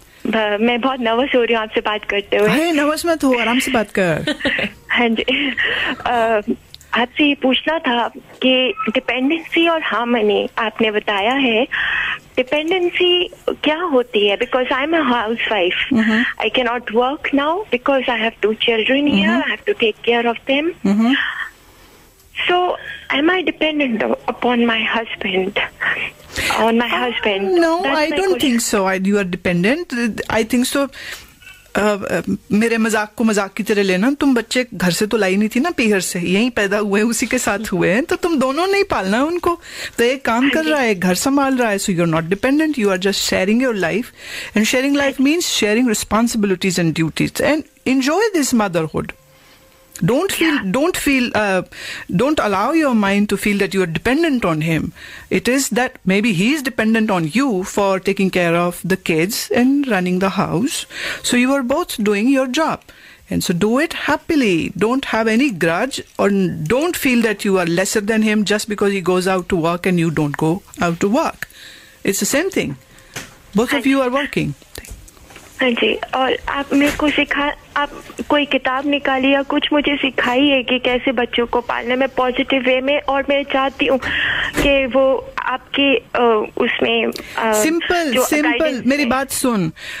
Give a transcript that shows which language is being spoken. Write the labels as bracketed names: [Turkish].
[Hindi] मैं बहुत नर्वस हो रही हूँ आपसे बात करते हुए। हाँ नर्वस मत हो, आराम से बात कर। हाँ जी, आपसे पूछना था कि डिपेंडेंसी और हार्मनी आपने बताया है, डिपेंडेंसी क्या होती है? [English] Because I'm a housewife, I cannot work now because I have two children here, I have to take care of them. So, am I dependent upon my husband? On my husband? No, I don't think so. You are dependent. I think so. [Hindi] मेरे मजाक को मजाक की तरह लेना, तुम बच्चे घर से तो लाई नहीं थी ना, पीहर से यहीं पैदा हुए, उसी के साथ हुए हैं, तो तुम दोनों नहीं पालना उनको, तो एक काम कर रहा है, घर संभाल रहा है, [English] So you are not dependent, you are just sharing your life, and sharing life means sharing responsibilities and duties, and enjoy this motherhood. Don't allow your mind to feel that you are dependent on him. It is that maybe he is dependent on you for taking care of the kids and running the house. So you are both doing your job. And so do it happily. Don't have any grudge or don't feel that you are lesser than him just because he goes out to work and you don't go out to work. It's the same thing. Both of you are working. [Hindi] हाँ जी, और आप मेरे को सिखा, आप कोई किताब निकाली या कुछ मुझे सिखाई है कि कैसे बच्चों को पालने में पॉजिटिव वे में, और मैं चाहती हूँ कि वो आपके उसमें सिंपल सिंपल मेरी बात सुन.